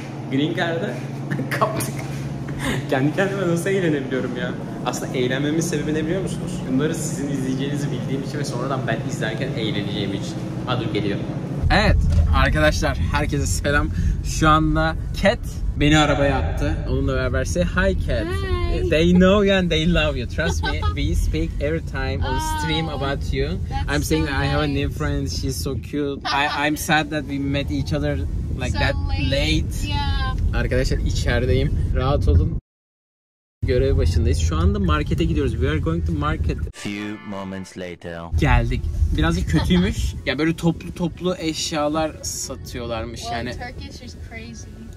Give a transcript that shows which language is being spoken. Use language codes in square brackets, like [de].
[tr] Green Card'ı kaptık. Kendi kendime nasıl eğlenebiliyorum ya? Aslında eğlenmemin sebebi ne biliyor musunuz? Bunları sizin izleyeceğinizi bildiğim için ve sonradan ben izlerken eğleneceğim için. Hadi geliyorum. Evet arkadaşlar, herkese selam. Şu anda Cat beni arabaya attı. Onunla beraber [en] say hi [tr] Cat. [en] Hey. They know you and they love you. Trust me, we speak every time on stream about you. I'm saying so that nice. I have a new friend, she's so cute. I'm sad that we met each other like so that late. Yeah. [tr] Arkadaşlar içerideyim. Rahat olun. Görev başındayız. Şu anda markete gidiyoruz. [en] We are going to market. Few moments later. [tr] Geldik. Birazcık kötüymüş. Ya böyle toplu eşyalar satıyorlarmış [en] well, [tr] yani. [en] Turkish is crazy.